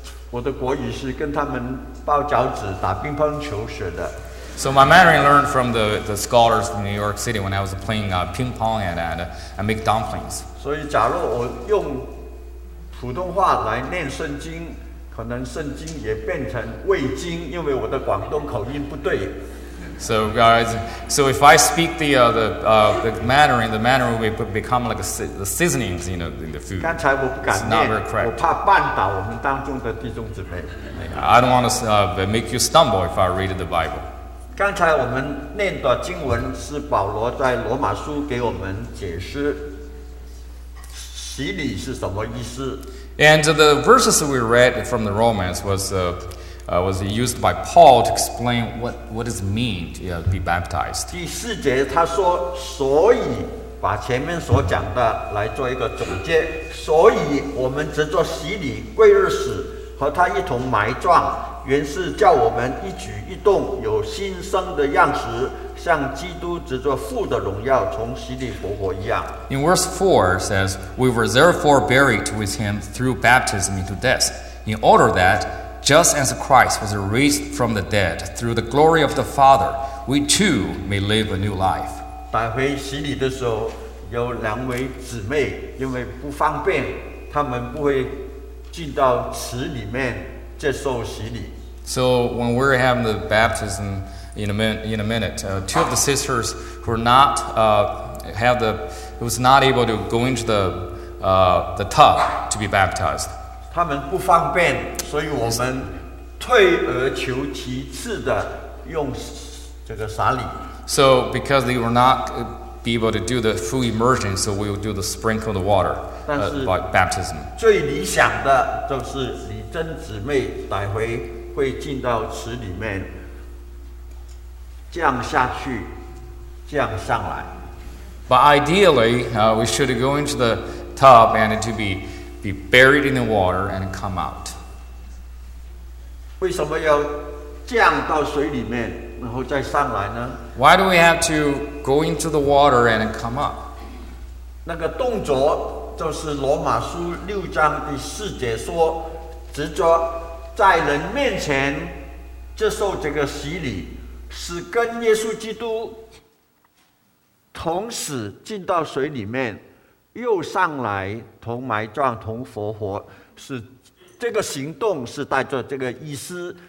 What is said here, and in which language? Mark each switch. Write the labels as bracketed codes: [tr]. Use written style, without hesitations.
[zh] 我的国语是跟他们包饺子、打乒乓球学的。 [en] So my Mandarin learned from the scholars in New York City when I was playing ping pong and make dumplings. [zh] 所以，假如我用普通话来念圣经，可能圣经也变成味精，因为我的广东口音不对。 [en] So if I speak the Mandarin, the Mandarin will become like the seasonings, you know, in the food. [zh] 刚才我不敢念， [en] it's not very correct. [zh] 我怕绊倒我们当中的弟兄姊妹。 [en] I don't want to make you stumble if I read the Bible. [zh] 刚才我们念的经文是保罗在罗马书给我们解释洗礼是什么意思。 [en] And the verses we read from the Romans was used by Paul to explain what does it mean to be baptized. [zh] 第四节他说，所以把前面所讲的来做一个总结，所以我们藉着洗礼归入死，和他一同埋葬，原是叫我们一举一动有新生的样式，像基督藉着父的荣耀从死里复活一样。 [en] In verse 4 says, we were therefore buried with him through baptism into death, in order that,just as Christ was raised from the dead through the glory of the Father, we too may live a new life. [zh] 带回洗礼的时候，有两位姊妹因为不方便，他们不会进到池里面接受洗礼。 [en] So when we're having the baptism in a minute, two of the sisters who are not able to go into the tub to be baptized. [zh] 他们不方便，所以我们退而求其次的用这个洒礼。 [en] So because they will not be able to do the full immersion, so we will do the sprinkle the water by baptism. [zh] 最理想的就是李真姊妹待会会进到池里面，降下去，降上来。 [en] But ideally, we should go into the tub and to be. Be buried in the water and come out. [zh] 为什么要降到水里面然后再上来呢？ [en] Why do we have to go into the water and come up? [zh] 那个动作就是罗马书六章第四节说，直着在人面前接受这个洗礼，是跟耶稣基督同时进到水里面又上来同埋葬同复活，是这个行动是带着这个意思。